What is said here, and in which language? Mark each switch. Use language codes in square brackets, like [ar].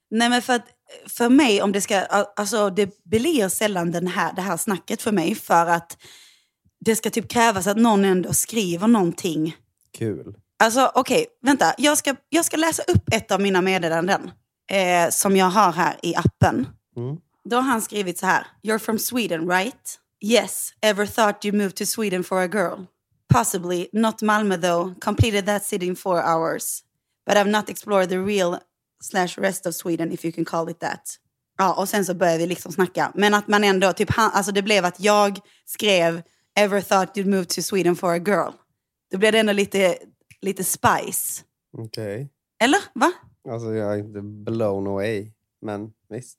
[sv] Nej, men för mig, om det ska, alltså det blir sällan det här snacket för mig, för att det ska typ krävas att någon ändå skriver någonting. Kul. Alltså okej, okay, vänta, jag ska läsa upp ett av mina meddelanden som jag har här i appen. Då har han skrivit så här: [en] "You're from Sweden, right? Yes, ever thought you moved to Sweden for a girl? Possibly, not Malmö though. Completed that city in 4 hours. But I've not explored the real / rest of Sweden, if you can call it that." [sv] Ja, och sen så börjar vi liksom snacka. Men att man ändå, typ, alltså det blev att jag skrev [en] "ever thought you'd move to Sweden for a girl". [sv] Då blev det ändå lite spice. Okej. Okay. Eller, va? Alltså jag är inte blown away, men visst.